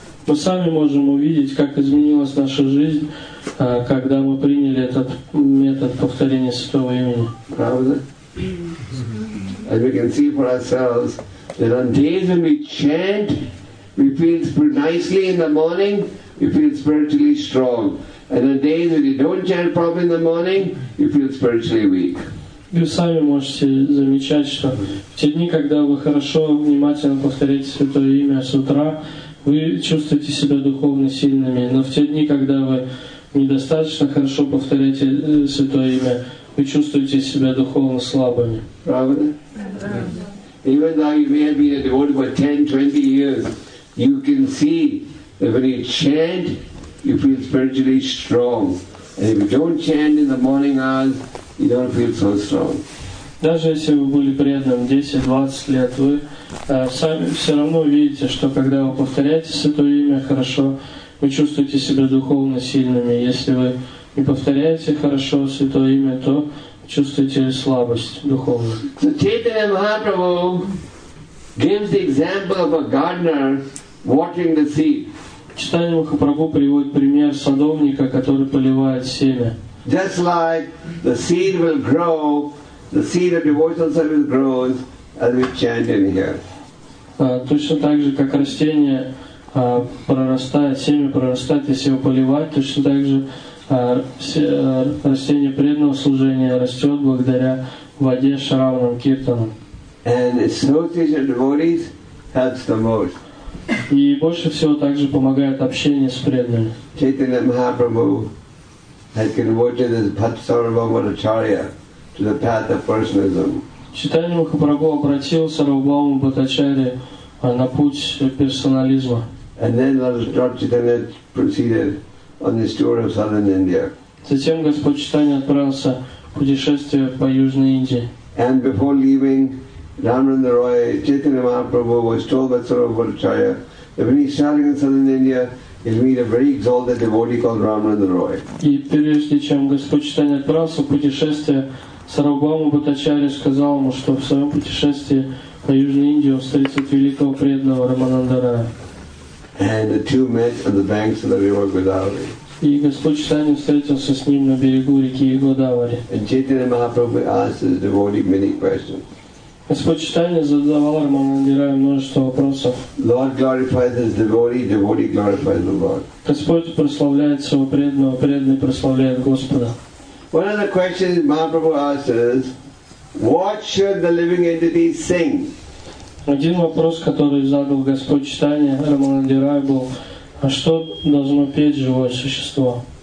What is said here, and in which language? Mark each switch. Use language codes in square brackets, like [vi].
[ru] Мы сами можем увидеть, как изменилась наша жизнь, когда мы приняли этот метод повторения святого имени. Правда? [en] And we can see for ourselves that on days when we chant, we feel nicely in the morning, we feel spiritually strong. And on days when you don't chant properly in the morning, you feel spiritually weak. [ru] Вы сами можете замечать, что в те дни, когда вы хорошо, внимательно повторяете Святое Имя с утра, вы чувствуете себя духовно сильными. Но в те дни, когда вы недостаточно хорошо повторяете Святое Имя, вы чувствуете себя духовно слабыми. Правда? [en] Even though you may have been a devotee for 10-20 years, you can see that when you chant, you feel spiritually strong. And if you don't chant in the morning hours, you don't feel so strong. [ru] Даже если вы были преданным 10-20 лет, вы сами все равно видите, что когда вы повторяете Святое Имя хорошо, вы чувствуете себя духовно сильными. Если вы не повторяете хорошо Святое Имя, то чувствуете слабость духовную. [en] So Chaitanya Mahaprabhu gives the example of a gardener watering the seed. [ru] Читание Махапрабху приводит пример садовника, который поливает семя. [en] Just like the seed will grow, the seed of devotional service grows as we chant in here. [ru] Точно так же, как растение прорастает, семя прорастает, если его поливать, точно так же растение преданного служения растет благодаря воде Шраванам Киртанам. [en] And association devotees helps the most. [ru] И больше всего также помогает общение с преданными. [en] Chaitanya Mahaprabhu had converted his Bhatsarvamacharya to the path of personalism. [ru] Chaitanya Mahaprabhu обратил Сарвабхаума Бхаттачарьи на путь персонализма. [en] And then Lord Chaitanya proceeded on his tour of southern India. [ru] Затем Господь Чайтанья отправился в путешествие по Южной Индии. [en] And before leaving Ramananda Roy, Chaitanya Mahaprabhu was told by Sarvabhu Bhattacharya that when he's traveling in southern India, he'll meet a very exalted devotee called Ramananda Roy. [ru] И прежде чем Господь Чайтанья отправился в путешествие, Сарвабхаума Бхаттачарья сказал ему, что в своем путешествии по Южной Индии он встретит великого преданного Рамананда Роя. [en] And the two met on the banks of the river Godavari. [ru] И Господь Чайтанья встретился с ним на берегу реки Годавари. [en] And Chaitanya Mahaprabhu asked his devotee many questions. [ru] Господь Чайтанья задавал Рамананде Рае множество вопросов. [en] Lord glorifies his devotee, devotee glorifies the Lord. [ru] Господь прославляет своего преданного, преданный прославляет Господа. [en] One of the questions Mahaprabhu asked is, what should the living entities sing? [ru] Один вопрос, который задал Господь Чайтанья Рамананде Рае, был, а что должно петь живое существо?